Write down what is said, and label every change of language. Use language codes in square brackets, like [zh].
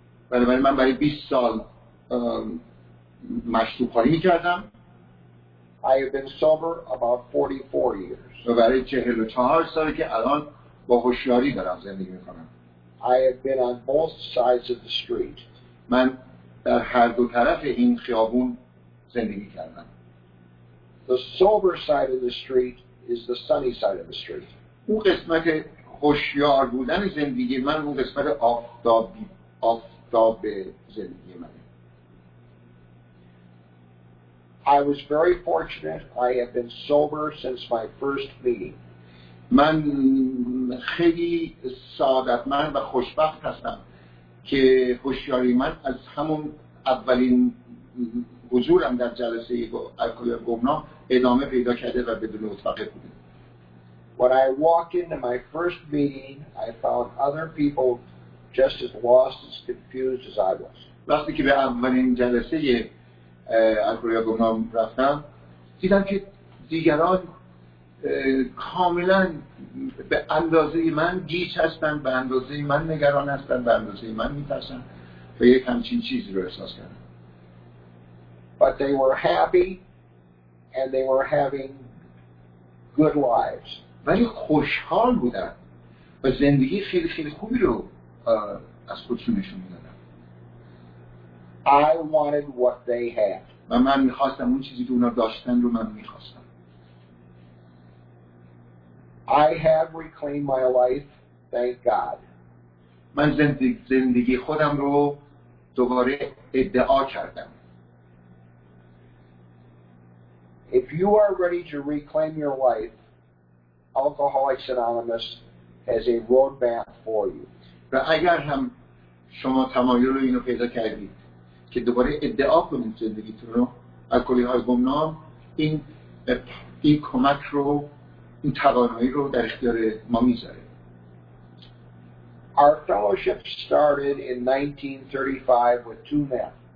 [fa] بنابراین من برای 20 سال مشروب خواهی میکردم. [en] I have been sober about 44 years. [fa] و برای 44 سالی که الان با هوشیاری دارم زندگی میکنم. [en] I have been on both sides of the street. [fa] من در هر دو طرف این خیابون زندگی کردم. [en] The sober side of the street is the sunny side of the street. [fa] اون قسمت هوشیار بودن زندگی من، اون قسمت آفتاب زندگی من. [en] I was very fortunate. I have been sober since my first meeting. [fa] من خیلی سعادتمند و خوشبخت هستم که هوشیاری من از همون اولین حضورم در جلسه الکلی های گمنام ادامه پیدا کرده و بدون اتاقه بوده. [en] When I walked into my first meeting, I found other people just as lost and confused as I was. [fa] وقتی که به اولین جلسه الکلی های گمنام رفتم، دیدم که دیگران کاملا به اندازه من گیج هستند، به اندازه من نگران هستند، به اندازه من میترسن و یک همچین چیزی رو احساس کردم. [en] But they were happy and they were having good lives. [fa] ولی خوشحال بودن و زندگی خیلی خیلی خوبی رو از خودشونشون میدادن. [en] I wanted what they had. [fa] و من میخواستم اون چیزی که اونا داشتن رو من میخواستم. [en] I have reclaimed my life, thank God. [fa] من زندگی خودم رو دوباره ادعا کردم. [en] If you are ready to reclaim your life, Alcoholics Anonymous has a roadmap for you. [fa] و اگر هم شما تمایل رو اینو پیدا کردید که دوباره ادعا کنید زندگیتون رو، الکلی های گمنام این این کمک رو، این توانایی رو در اختیار ما میذاره. [en] Our fellowship started in 1935 with two men.